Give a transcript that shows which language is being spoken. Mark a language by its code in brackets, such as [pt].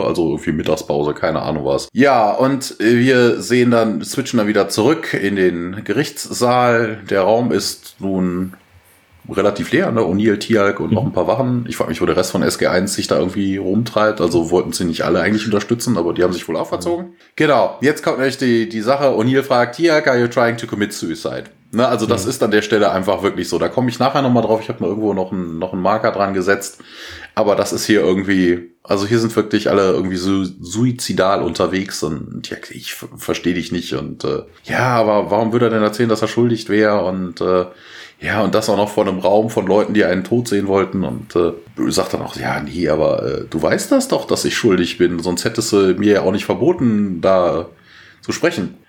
[de] Also irgendwie Mittagspause, keine Ahnung was. Ja, und wir sehen dann, switchen dann wieder zurück in den Gerichtssaal. Der Raum ist nun relativ leer, ne? O'Neill, Teal'c und noch ein paar Wachen. Ich frage mich, wo der Rest von SG-1 sich da irgendwie rumtreibt. Also wollten sie nicht alle eigentlich unterstützen, aber die haben sich wohl auch verzogen. Genau, jetzt kommt nämlich die Sache. [en] O'Neill [de] fragt, [en] Teal'c, are you trying to commit suicide? [de] Ne? Also das ist an der Stelle einfach wirklich so. Da komme ich nachher nochmal drauf. Ich habe mir irgendwo noch einen Marker dran gesetzt. Aber das ist hier irgendwie, also hier sind wirklich alle irgendwie so suizidal unterwegs und ja, ich verstehe dich nicht und ja, aber warum würde er denn erzählen, dass er schuldig wäre und ja, und das auch noch vor einem Raum von Leuten, die einen tot sehen wollten und sagt dann auch, ja, nee, aber du weißt das doch, dass ich schuldig bin, sonst hättest du mir ja auch nicht verboten, da zu sprechen.